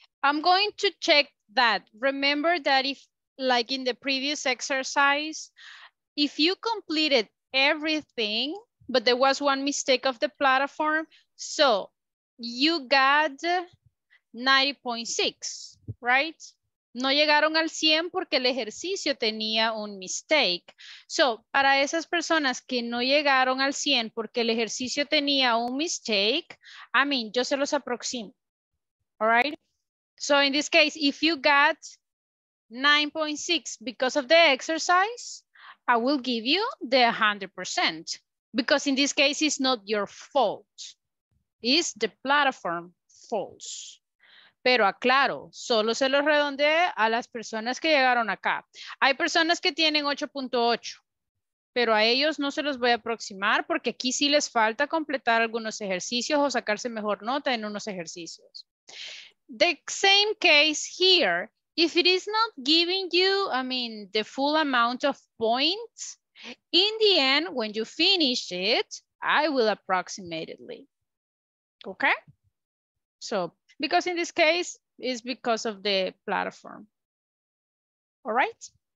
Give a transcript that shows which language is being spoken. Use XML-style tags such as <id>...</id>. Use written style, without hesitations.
<en>I'm going to check that. Remember that if, like in the previous exercise, if you completed everything, but there was one mistake of the platform, so you got 90.6, right?</en> <es>No llegaron al 100 porque el ejercicio tenía un mistake. So, para esas personas que no llegaron al 100 porque el ejercicio tenía un mistake,</es> <en>I mean,</en> <es>yo se los aproximo.</es> <en>All right? So, in this case, if you got 9.6 because of the exercise, I will give you the 100%. Because in this case, it's not your fault. It's the platform fault.</en> <es>Pero aclaro, solo se los redondeé a las personas que llegaron acá. Hay personas que tienen 8.8, pero a ellos no se los voy a aproximar porque aquí sí les falta completar algunos ejercicios o sacarse mejor nota en unos ejercicios.</es> <en>The same case here, if it is not giving you, I mean, the full amount of points, in the end, when you finish it, I will approximately. Okay? So, because in this case, it's because of the platform. All right?</en>